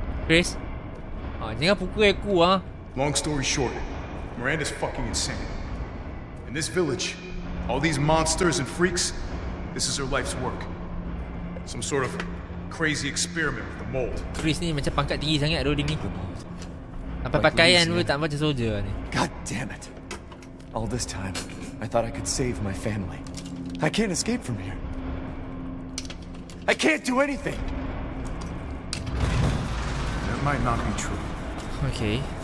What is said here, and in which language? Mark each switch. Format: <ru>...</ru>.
<ms>Chris? Ah, jangan pukul aku, ha?</ms> <en>Long story short, Miranda's fucking insane. In this village, all these monsters and freaks, this is her life's work. Some sort of crazy experiment with the mold.</en> <ms>Chris ni macam pangkat tinggi sangat dulu ni. Apa pakaian dulu tak macam soldier ni.</ms> <en>God damn it. All this time, I thought I could save my family. I can't escape from here. I can't do anything. That might not be true. Okay.</en>